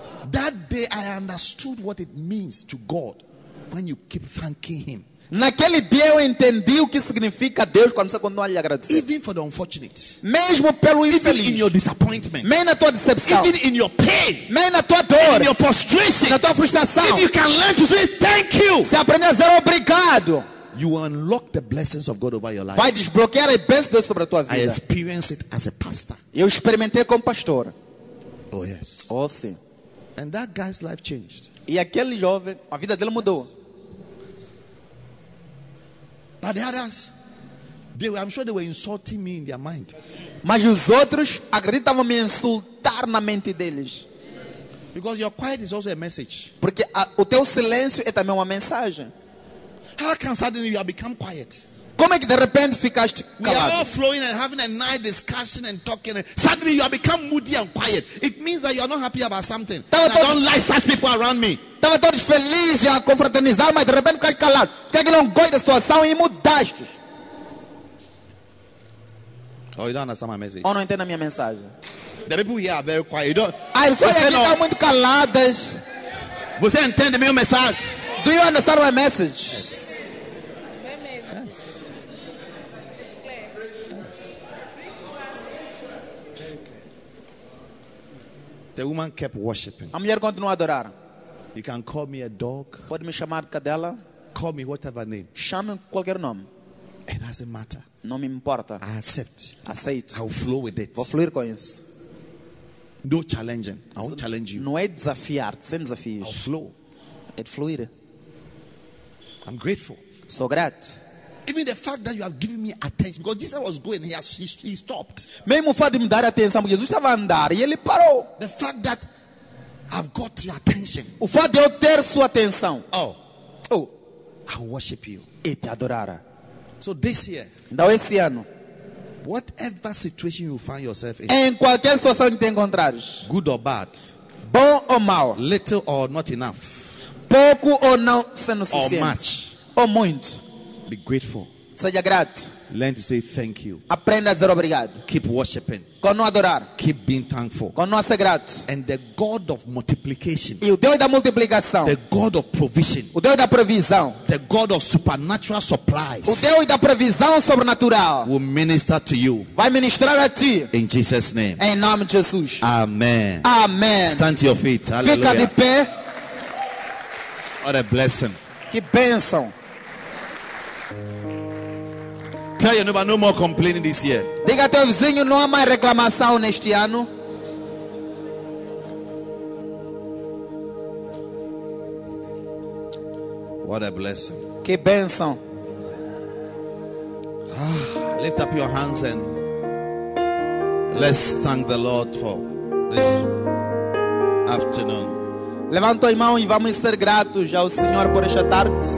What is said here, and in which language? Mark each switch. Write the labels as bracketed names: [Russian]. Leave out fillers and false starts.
[English] That day I understood what it means to God when you keep thanking him. [Portuguese] Naquele dia eu entendi o que significa Deus quando você continua a lhe agradecer. [English] Even for the unfortunate. [Portuguese] Mesmo pelo infeliz. [English] Even in your disappointment. [Portuguese] Mesmo na tua decepção. [English] Even in your pain. [Portuguese] Mesmo na tua dor. [English] In your frustration. [Portuguese] Na tua frustração. [English] If you can learn to say thank you. [Portuguese] Se aprender a dizer obrigado. [English] You unlock the blessings of God over your life. [Portuguese] Vai desbloquear a bênção de Deus sobre a tua vida. [English] I experienced it as a pastor. [Portuguese] Eu experimentei como pastor. [English] Oh yes. [Portuguese] Oh sim. [English] And that guy's life changed. [Portuguese] E aquele jovem, a vida dele mudou. [English] But the others, I'm sure they were insulting me in their mind. [Portuguese] Mas os outros acreditavam me insultar na mente deles. [English] Because your quiet is also a message. [Portuguese] Porque o teu silêncio é também uma mensagem. [English] How come suddenly you have become quiet? [Portuguese] Como é que de repente ficaste calado? [English] We are all flowing and having a nice discussion and talking. And suddenly you have become moody and quiet. It means that you are not happy about something. I don't like such people around me. [Portuguese] Estava todos felizes a confraternizar, mas de repente ficaste calado. Porque é que não gosta da situação e mudaste. [English] Oh, you don't understand my message. [Portuguese] Ou não entende a minha mensagem. [English] The people here are very quiet. You don't... [Portuguese] As pessoas aqui estão muito caladas. Você entende a minha mensagem? [English] Do you understand my message? Yes. The woman kept worshiping. [Portuguese] A mulher continuou a adorar. [English] You can call me a dog. [Portuguese] Pode me chamar cadela. [English] Call me whatever name. [Portuguese] Chame qualquer nome. [English] It doesn't matter. [Portuguese] Não me importa. [English] I accept. [Portuguese] Aceito. [English] I'll flow with it. [Portuguese] Vou fluir com isso. [English] No challenging. I won't challenge you. [Portuguese] Não é desafiar, sem desafios. [English] I'll flow. [Portuguese] É fluir. [English] I'm grateful. [Portuguese] Sou grato. [English] Even the fact that you have given me attention, because Jesus was going, he stopped. [Portuguese] Mesmo o fato de me dar atenção, porque Jesus estava a andar e ele parou. [English] The fact that I've got your attention. [Portuguese] O fato de eu ter sua atenção. [English] Oh. I worship you. [Portuguese] E te adorar. [English] So this year. [Portuguese] Então esse ano. [English] Whatever situation you find yourself in. [Portuguese] Em qualquer situação que te encontrares. [English] Good or bad. [Portuguese] Bom ou mau. [English] Little or not enough. [Portuguese] Pouco ou não sendo suficiente. [English] Or much. [Portuguese] Ou muito. [English] Be grateful. [Portuguese] Seja grato. [English] Learn to say thank you. [Portuguese] Aprenda a dizer obrigado. [English] Keep worshiping. [Portuguese] Continue adorar. [English] Keep being thankful. [Portuguese] Continue a ser grato. [English] And the God of multiplication. [Portuguese] E o Deus da multiplicação. [English] The God of provision. [Portuguese] O Deus da provisão. [English] The God of supernatural supplies. [Portuguese] O Deus da provisão sobrenatural. [English] Will minister to you. [Portuguese] Vai ministrar a ti. [English] In Jesus' name. [Portuguese] Em nome de Jesus. [English] Amen. [Portuguese] Amen. [English] Stand to your feet. Hallelujah. [Portuguese] Fica de pé. [English] What a blessing. [Portuguese] Que bênção. [English] Tell your neighbor, no more complaining this year. [Portuguese] Diga ao teu vizinho, não há mais reclamação neste ano. [English] What a blessing. [Portuguese] Que bênção. [English] Lift up your hands and let's thank the Lord for this afternoon. [Portuguese] Levanta a mão e vamos ser gratos ao Senhor por esta tarde.